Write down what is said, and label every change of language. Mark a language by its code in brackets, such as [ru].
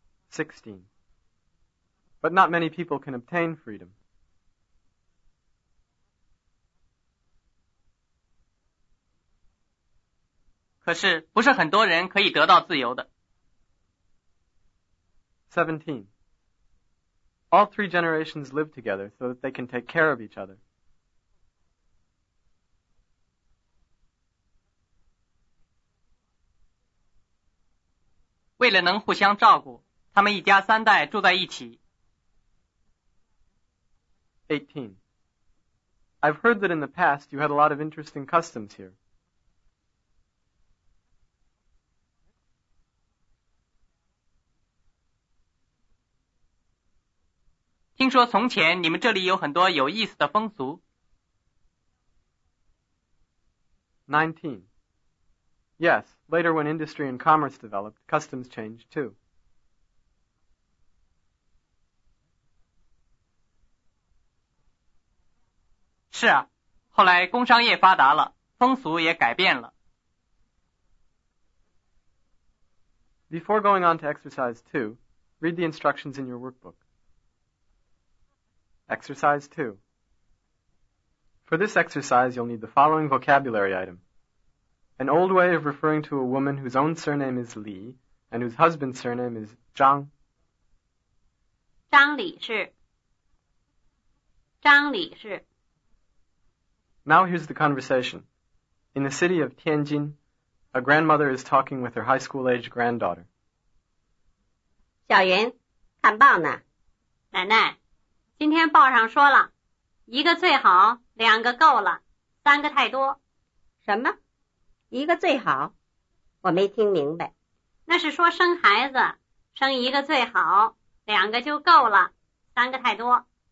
[en] 16. But not many people can obtain freedom. [zh] 可是不是很多人可以得到自由的。 [en] 17. All three generations live together so that they can take care of each other. [zh] 为了能互相照顾，他们一家三代住在一起。 [en] 18. I've heard that in the past you had a lot of interesting customs here. [zh] 听说从前你们这里有很多有意思的风俗。 [en] 19. Yes, later when industry and commerce developed, customs changed too. [zh] 是啊，后来工商业发达了，风俗也改变了。 [en] Before going on to exercise 2, read the instructions in your workbook. Exercise 2. For this exercise, you'll need the following vocabulary item. An old way of referring to a woman whose own surname is Li and whose husband's surname is Zhang. [zh] 张李氏。 [en] Now here's the conversation. In the city of Tianjin, a grandmother is talking with her high school-age granddaughter. [zh] 小云，看报呢。奶奶，今天报上说了，一个最好，两个够了，三个太多。什么？一个最好，我没听明白。那是说生孩子，生一个最好，两个就够了，三个太多。